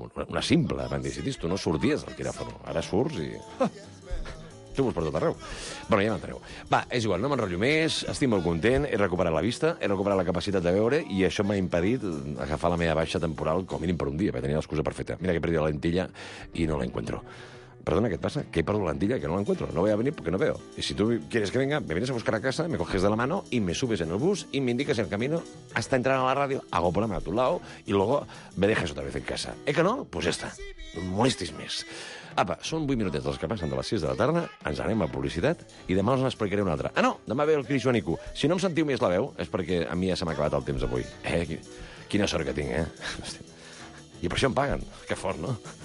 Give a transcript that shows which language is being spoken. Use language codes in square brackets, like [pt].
[ca] Una simple apendicitis, tu no sorties del quiràfono. Ara surts i... Tubos per tot arreu. Bueno, ja m'entreu. Va, és igual, no m'enrotllo més, estic molt content, he recuperat la vista, he recuperat la capacitat de veure i això m'ha impedit agafar la meva baixa temporal com a mínim per un dia, perquè tenia l'excusa perfecta. Mira que he perdut la lentilla i [es] no la encuentro. [ca] Perdona, què et passa? Que he perdut la lentilla [es] que no la encuentro. No voy a venir porque no veo. Y si tú quieres que venga, me vienes a buscar a casa, me coges de la mano y me subes en el bus y me indicas el camino hasta entrar a la radio, hago problema a tu lado y luego me dejes otra vez en casa. ¿Eh que no? Pues ya está. [ca] No molestis més. Apa, són 8 minutets dels que passen de les 6 de la tarda, ens anem a publicitat i demà us n'explicaré una altra. Ah, no, demà ve el Cris Joanico. Si no em sentiu més la veu és perquè a mi ja se m'ha acabat el temps avui. Quina sort que tinc, eh? I per això em paguen. Que fort, no?